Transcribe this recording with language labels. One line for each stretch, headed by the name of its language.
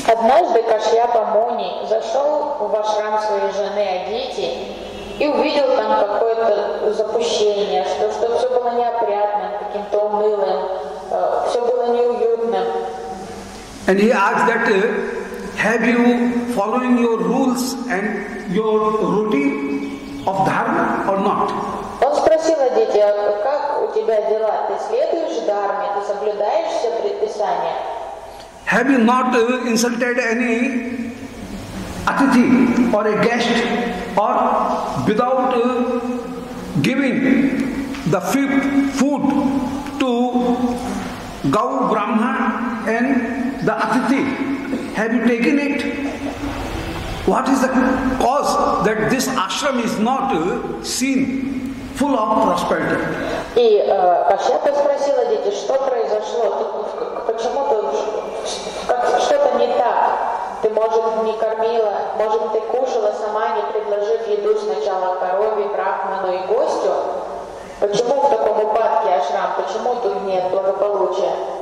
Russian: Однажды Кашьяпа Муни зашел в ашрам своей жены Адити и увидел там какое-то запущение, что все было неопрятно, каким-то унылым, все было неуютно.
English: And he asked that, have you following your rules and your routine of dharma or not?
Russian: Он спросил Адити, как у тебя дела? Ты следуешь дхарме? Ты соблюдаешь все предписания?
English: Have you not insulted any atithi or a guest, or without giving the food to Gau Brahma and the atithi? Have you taken it? What is the cause that this ashram is not seen full of prosperity?
Russian: И Кашьяпа спросила дети, что произошло? Почему ты что-то не так? Ты, может, не кормила, может, ты кушала сама, не предложив еду сначала корове, брахману и гостю? Почему в таком упадке ашрам? Почему тут нет благополучия?